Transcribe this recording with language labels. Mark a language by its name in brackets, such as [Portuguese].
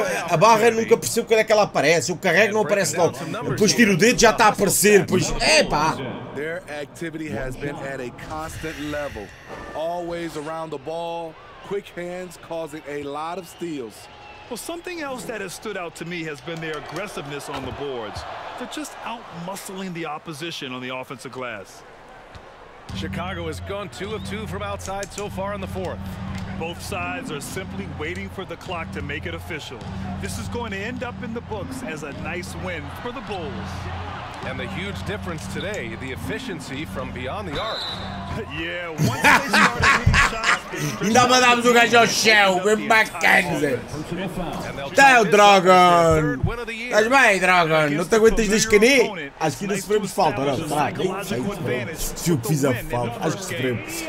[Portuguese] A barra nunca percebo quando é que ela aparece. O carrego não aparece logo. Depois tiro o dedo, já está a aparecer. Pois, epá. [English] Their activity has been at a constant level. Always around the ball. Quick hands causing a lot of steals. Well, something else that has stood out to me has been their aggressiveness on the boards. They're just out-muscling the opposition on the offensive glass. Chicago has gone 2 of 2 from outside so far in the fourth. Both sides are simply waiting for the clock to make it official. This is going to end up in the books as a nice win for the Bulls. And the huge difference today, the efficiency from beyond the arc. Yeah, once they started hitting shots, [Portuguese] ainda mandamos o gajo ao chão, bem bacana, Zé. Até o Dragon! Estás bem, Dragon? Não te aguentas de escanei? Acho que ainda sofremos falta, não? Tá, aqui, aí, se eu fiz a falta, acho que sofremos.